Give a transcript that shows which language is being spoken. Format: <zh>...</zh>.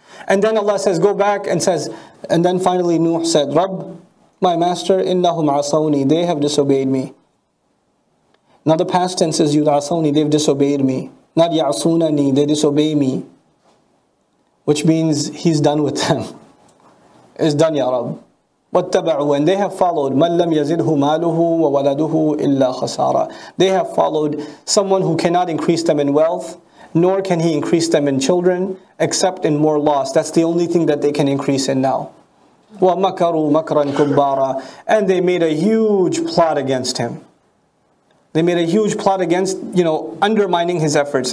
<en>And then Allah says, go back and says, and then finally Nuh said, Rabb, my master, innahum asawni, they have disobeyed me. Now the past tense is yudasuni, they've disobeyed me. Not yasunani, they disobey me. Which means he's done with them. It's done, Ya Rab.</en> <ar>واتبعوا,</ar> <en>and they have followed,</en> <ar>مَنْ لَمْ يَزِدْهُ مَالُهُ وَوَلَدُهُ إِلَّا خَسَارًا.</ar> <en>They have followed someone who cannot increase them in wealth, nor can he increase them in children, except in more loss. That's the only thing that they can increase in now.</en> <ar>وَمَكَرُوا مَكْرًا كُبَّارًا.</ar> <en>And they made a huge plot against him. They made a huge plot against, you know, undermining his efforts.</en>